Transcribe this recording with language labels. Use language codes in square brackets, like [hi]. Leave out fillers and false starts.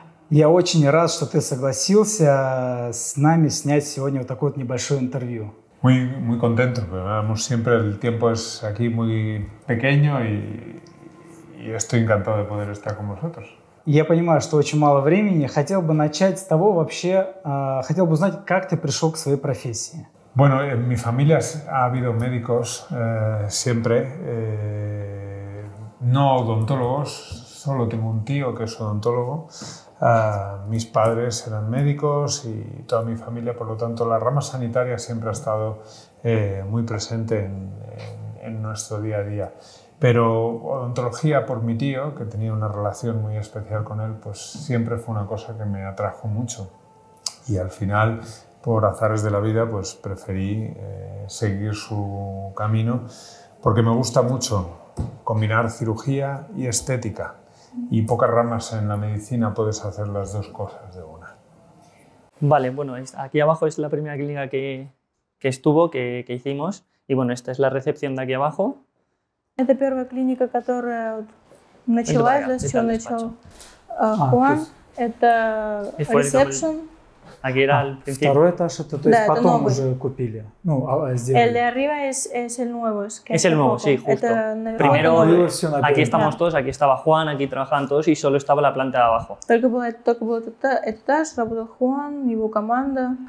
[ru] Я очень рад, что ты согласился с нами снять сегодня вот такое вот небольшое интервью. [es] Muy contento, vamos siempre, el tiempo es aquí muy pequeño y estoy encantado de poder estar con vosotros. [ru] Я понимаю, что очень мало времени, хотел бы начать с того вообще, хотел бы узнать, как ты пришел к своей профессии. [es] Bueno, en mi familia ha habido médicos siempre, no odontólogos, solo tengo un tío que es odontólogo. Mis padres eran médicos y toda mi familia, por lo tanto, la rama sanitaria siempre ha estado muy presente en nuestro día a día. Pero odontología por mi tío, que tenía una relación muy especial con él, pues siempre fue una cosa que me atrajo mucho. Y al final, por azares de la vida, pues preferí seguir su camino porque me gusta mucho combinar cirugía y estética. Y pocas ramas en la medicina puedes hacer las dos cosas de una. Vale, bueno, aquí abajo es la primera clínica que hicimos. Y bueno, esta es la recepción de aquí abajo. [ru] Это первая клиника, которая началась, да, все начал Хуан. Это ресепшн. Второй этаж, это то есть потом уже купили. Ну, сделали. [es] El de arriba es el nuevo. Es el nuevo, sí, justo. Primero, aquí estamos todos, aquí estaba Juan, aquí trabajaban todos y solo estaba la planta de abajo. [ru] Только был этот этаж, работал Хуан, его команда.